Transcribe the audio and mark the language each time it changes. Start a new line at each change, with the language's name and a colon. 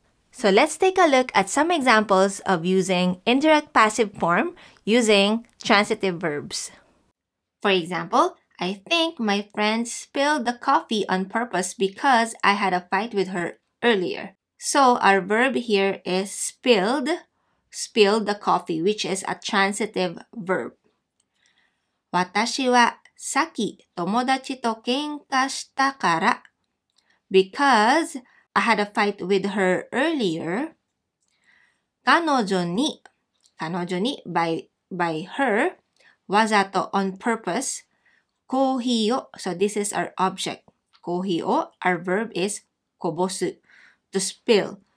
English: So let's take a look at some examples of using indirect passive form using transitive verbs. For example, I think my friend spilled the coffee on purpose because I had a fight with her earlier. So our verb here is spilled, spilled the coffee, which is a transitive verb.
Japanese: 私はさっき友達と喧嘩したから。
English: Because I had a fight with her earlier,
Japanese: 彼女に
English: by her,
Japanese: わざと
English: on purpose,
Japanese: コーヒーを、
English: so this is our object, コーヒーを、our verb is
Japanese: こぼす、
English: to spill.